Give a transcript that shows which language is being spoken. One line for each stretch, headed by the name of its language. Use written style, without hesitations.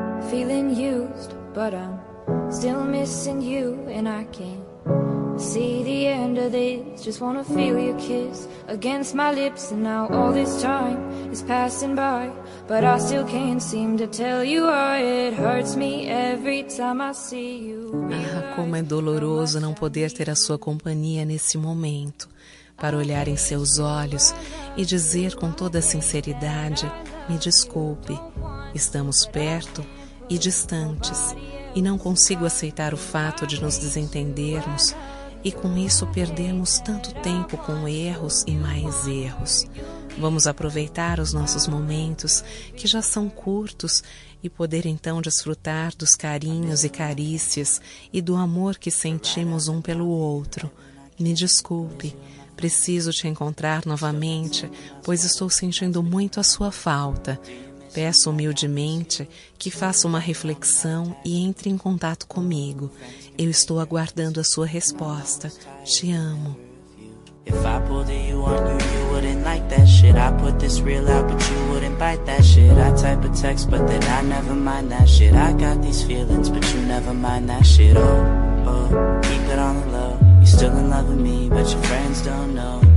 English: feeling used, but I'm still missing you, and I can't see the end of this. Just wanna feel your kiss against my lips, and now all this time is passing by, but I still can't seem to tell you why. It hurts me every time I see you.
Portuguese: Ah, como é doloroso não poder ter a sua companhia nesse momento, para olhar em seus olhos e dizer com toda a sinceridade: me desculpe, estamos perto e distantes, e não consigo aceitar o fato de nos desentendermos e com isso perdermos tanto tempo com erros e mais erros. Vamos aproveitar os nossos momentos, que já são curtos, e poder então desfrutar dos carinhos e carícias e do amor que sentimos um pelo outro. Me desculpe, preciso te encontrar novamente, pois estou sentindo muito a sua falta. Peço humildemente que faça uma reflexão e entre em contato comigo. Eu estou aguardando a sua resposta. Te amo.
English: If I pulled you on you, you wouldn't like that shit. I put this real out, but you wouldn't bite that shit. I type a text, but then I never mind that shit. I got these feelings, but you never mind that shit. Oh, oh, keep it on the low. You're still in love with me, but your friends don't know.